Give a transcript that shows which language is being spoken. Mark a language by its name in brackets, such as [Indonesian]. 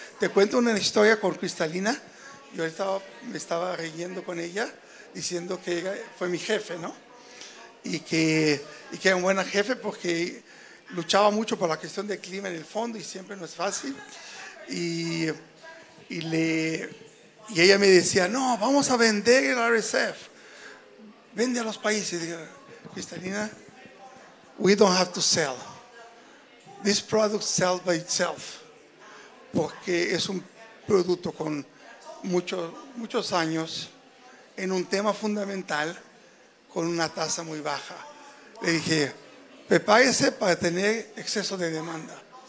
[Spanish] Te cuento una historia con Cristalina, yo me estaba riendo con ella, diciendo que fue mi jefe, ¿no? Y que era un buen jefe porque luchaba mucho por la cuestión del clima en el fondo y siempre no es fácil. Y ella me decía, no, vamos a vender el RSF. Vende a los países. Y dije, [English] Cristalina, we don't have to sell. This product sells by itself. [Spanish] Porque es un producto con muchos años en un tema fundamental con una tasa muy baja. Le dije, prepárese para tener exceso de demanda.